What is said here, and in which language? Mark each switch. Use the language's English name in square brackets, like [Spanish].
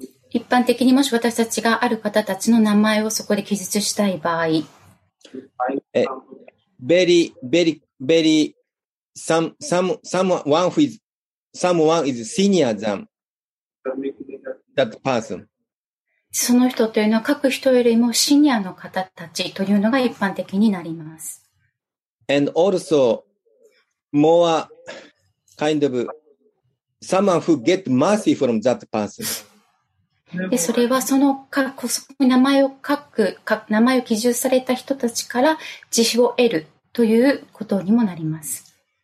[Japanese] 一般的にもし私たちがある方たちの名前をそこで記述したい場合、 [English] very, very, very, someone is senior than that person. [Japanese] その人というのは各人よりもシニアの方たちというのが一般的になります。 [English] And also, more kind of someone who get mercy from that person. [Japanese] で、それはその名前を記述された人たちから慈悲を得るということにもなります。